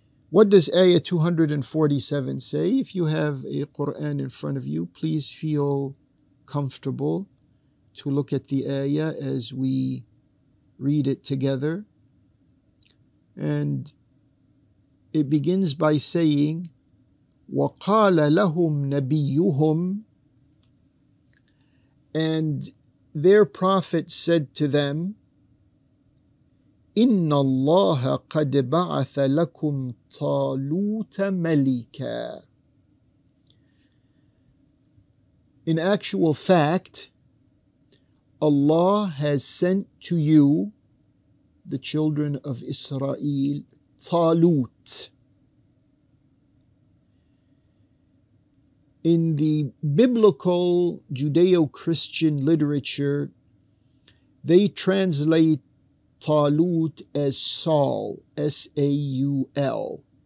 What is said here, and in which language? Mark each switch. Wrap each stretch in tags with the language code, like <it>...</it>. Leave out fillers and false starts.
<en>What does ayah 247 say? If you have a Quran in front of you, please feel comfortable to look at the ayah as we read it together. And it begins by saying,</en> <ar>وَقَالَ لَهُمْ نَبِيُّهُمْ.</ar> <en>And their prophet said to them,</en> <ar>إِنَّ اللَّهَ قَدْ بَعَثَ لَكُمْ طَالُوتَ مَلِكًا.</ar> <en>In actual fact, Allah has sent to you, the children of Israel, Talut. In the biblical Judeo-Christian literature, they translate Talut as Saul, S-A-U-L.</en>